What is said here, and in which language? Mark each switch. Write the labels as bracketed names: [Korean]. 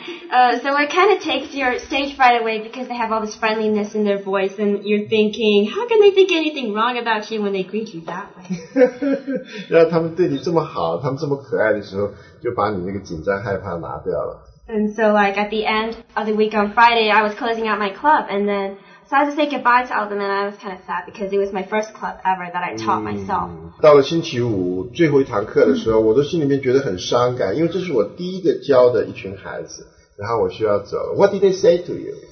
[English] And so it kind of takes your stage fright away because they have all this friendliness in their voice, and you're thinking, how can they think anything wrong about you when they greet you that way? [Chinese] 让他们对你这么好，他们这么可爱的时候，就把你那个紧张害怕拿掉了。 [English] And so like at the end of the week on Friday, I was closing out my club, and then so I had to say goodbye to all of them, and I was kind of sad because it was my first club ever that I taught myself. [Chinese] 到了星期五最后一堂课的时候，我都心里面觉得很伤感，因为这是我第一个教的一群孩子，然后我需要走了。 [English] What did they say to you?